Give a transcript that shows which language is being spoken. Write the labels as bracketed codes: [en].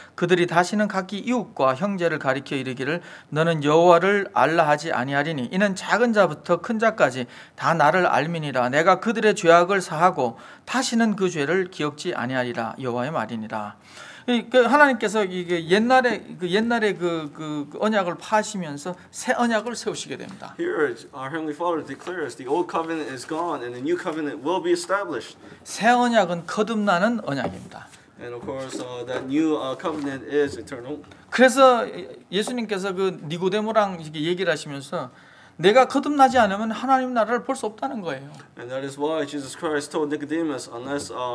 [ko] 그들이 다시는 각기 이웃과 형제를 가리켜 이르기를 너는 여호와를 알라 하지 아니하리니 이는 작은 자부터 큰 자까지 다 나를 알미니라. 내가 그들의 죄악을 사하고 다시는 그 죄를 기억지 아니하리라. 여호와의 말이니라. 그 하나님께서 이게 옛날에 그 언약을 파하시면서 새 언약을 세우시게 됩니다. [en] Here our heavenly Father declares the old covenant is gone and the new covenant will be established. [ko] 새 언약은 거듭나는 언약입니다. [en] And of course that new covenant is eternal. [ko] 그래서 예수님께서 그 니고데모랑 이렇게 얘기를 하시면서 내가 거듭나지 않으면 하나님 나라를 볼 수 없다는 거예요. [en] And that is why Jesus Christ told Nicodemus unless